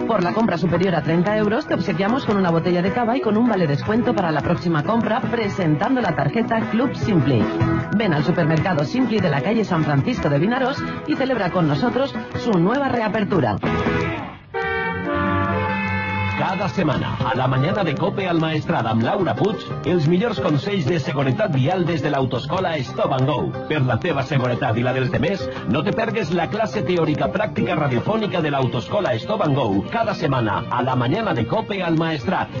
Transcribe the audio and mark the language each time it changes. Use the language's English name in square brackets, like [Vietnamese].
[Spanish] Por la compra superior a 30 euros te obsequiamos con una botella de cava y con un vale descuento para la próxima compra presentando la tarjeta Club Simpli. Ven al supermercado Simpli de la calle San Francisco de Vinaros y celebra con nosotros su nueva reapertura. [Catalan] Cada setmana, a la mañana de COPE al Maestrat amb Laura Puig, els millors consells de seguretat vial des de l'autoescola Stop and Go. Per la teva seguretat i la dels demés, no te perdes la classe teòrica pràctica radiofònica de l'autoescola Stop and Go. Cada setmana, a la mañana de COPE al Maestrat.